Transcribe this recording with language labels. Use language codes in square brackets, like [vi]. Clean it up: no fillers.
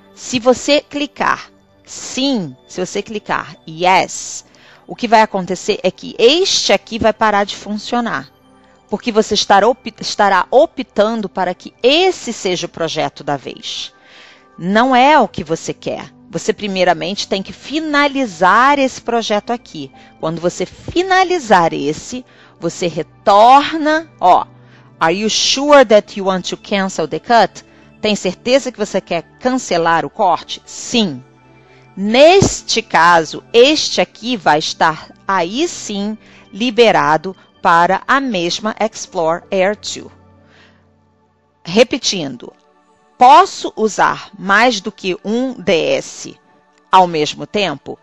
[pt] Se você clicar sim, se você clicar [en] Yes, [pt] o que vai acontecer é que este aqui vai parar de funcionar, porque você estará optando para que esse seja o projeto da vez. Não é o que você quer. Você primeiramente tem que finalizar esse projeto aqui. Quando você finalizar esse, você retorna. [en] Ó, are you sure that you want to cancel the cut? [pt] Tem certeza que você quer cancelar o corte? Sim. Neste caso, este aqui vai estar aí sim liberado para a mesma Explorer 2. Repetindo, posso usar mais do que um DS ao mesmo tempo?